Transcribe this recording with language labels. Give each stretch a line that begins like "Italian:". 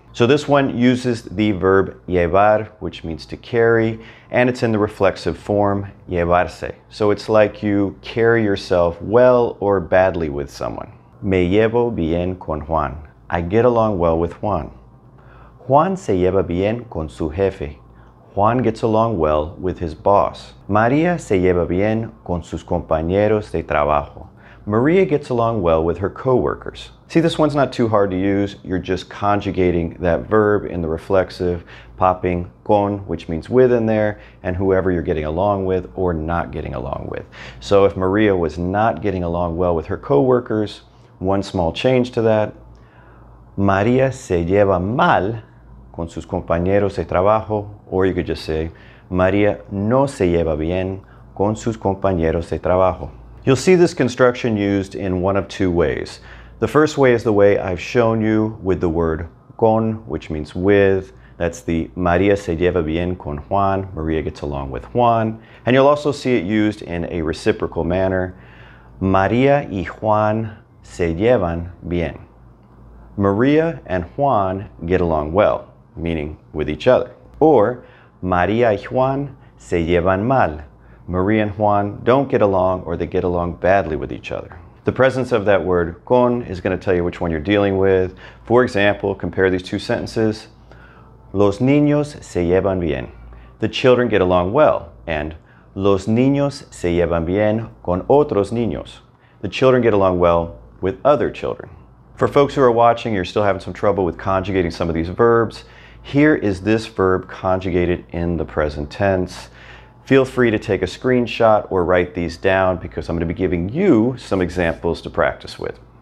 English: So this one uses the verb llevar, which means to carry, and it's in the reflexive form, llevarse. So it's like you carry yourself well or badly with someone.
Spanish: Me llevo bien con Juan.
English: I get along well with Juan.
Spanish: Juan se lleva bien con su jefe.
English: Juan gets along well with his boss.
Spanish: María se lleva bien con sus compañeros de trabajo.
English: Maria gets along well with her coworkers. See, this one's not too hard to use. You're just conjugating that verb in the reflexive, popping con, which means with in there, and whoever you're getting along with or not getting along with. So if Maria was not getting along well with her coworkers, one small change to that.
Spanish: Maria se lleva mal con sus compañeros de trabajo,
English: or you could just say,
Spanish: Maria no se lleva bien con sus compañeros de trabajo.
English: You'll see this construction used in one of two ways. The first way is the way I've shown you with the word con, which means with. That's the
Spanish: María se lleva bien con Juan.
English: Maria gets along with Juan. And you'll also see it used in a reciprocal manner.
Spanish: María y Juan se llevan bien.
English: Maria and Juan get along well, meaning with each other.
Spanish: Or María y Juan se llevan mal.
English: Maria and Juan don't get along, or they get along badly with each other. The presence of that word con is going to tell you which one you're dealing with. For example, compare these two sentences.
Spanish: Los niños se llevan bien.
English: The children get along well.
Spanish: And los niños se llevan bien con otros niños.
English: The children get along well with other children. For folks who are watching, you're still having some trouble with conjugating some of these verbs. Here is this verb conjugated in the present tense. Feel free to take a screenshot or write these down, because I'm going to be giving you some examples to practice with.